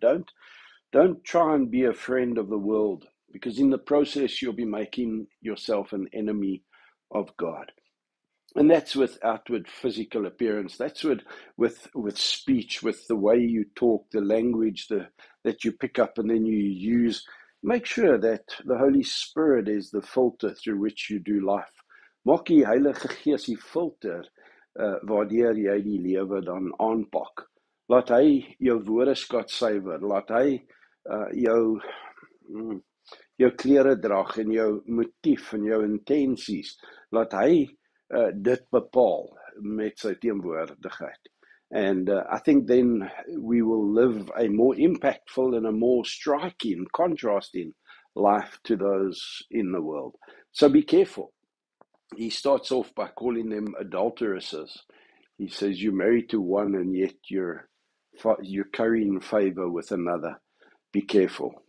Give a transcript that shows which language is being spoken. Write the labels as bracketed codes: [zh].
[en] Don't try and be a friend of the world, because in the process, you'll be making yourself an enemy of God. And that's with outward physical appearance. That's with speech, with the way you talk, the language that you pick up and then you use. Make sure that the Holy Spirit is the filter through which you do life. [af] Maak die Heilige Gees die filter waardeur jy die lewe dan aanpak. Laat hy jou woorde skat suiwer. Laat hy jou klere drag en jou motief en jou intensies. Laat hy dit bepaal met sy teenwoordigheid. [en] And I think then we will live a more impactful and a more striking, contrasting life to those in the world. So be careful. He starts off by calling them adulteresses. He says, you're married to one and yet you're currying favor with another. Be careful.